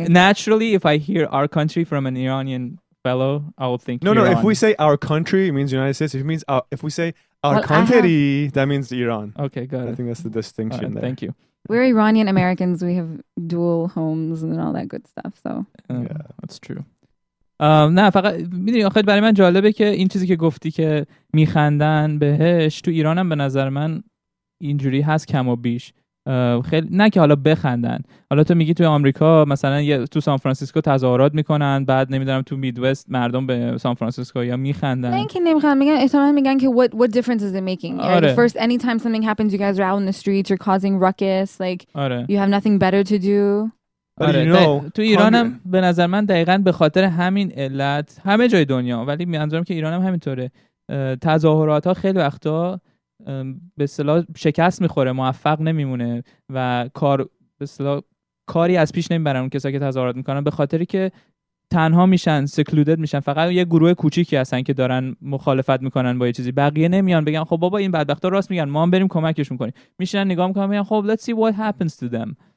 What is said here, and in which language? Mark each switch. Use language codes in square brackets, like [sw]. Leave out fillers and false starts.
[en] I mean, naturally, if I hear our country from an Iranian fellow, I would think No, Iran. If we say our country, it means United States. If it means if we say our country, that means Iran. Okay, got it. I think that's the distinction right, there. Thank you. We're Iranian Americans. We have dual homes and all that good stuff. So yeah, that's true. [fa] نه فقط میدونی آخر برای من جالبه که این چیزی که گفتی که میخندن بهش تو ایرانم به نظر من اینجوری هست کم و بیش. خیلی نه که حالا بخندن. حالا تو میگی تو آمریکا مثلا تو سان فرانسیسکو تظاهرات میکنن، بعد نمیدونم تو میدوست مردم به سان فرانسیسکو یا میخندن. نه اینکه نمیخندن، میگن احتمال میگن که [en] what difference is it making? [fa] آره. [en] Like, first any time something happens you guys are out in the streets, you're causing ruckus, like [fa] آره. [en] You have nothing better to do. [fa] آره. [en] You know, [fa] تو ایرانم به نظر من دقیقاً به خاطر همین علت، همه جای دنیا ولی منظورم که ایرانم همینطوره، تظاهرات ها خیلی وقتا به اصطلاح شکست میخوره، موفق نمیمونه و کار به اصطلاح کاری از پیش نمیبرن اون کسایی که تظاهرات میکنن، به خاطری که تنها میشن، سکلودد میشن، فقط یه گروه کوچیکی هستن که دارن مخالفت میکنن با یه چیزی، بقیه نمیان بگن خب بابا این بدبختا راست میگن، ما هم بریم کمکشون کنیم، میشینن نگاه میکنن میگن خب [en] let's see what happens to them.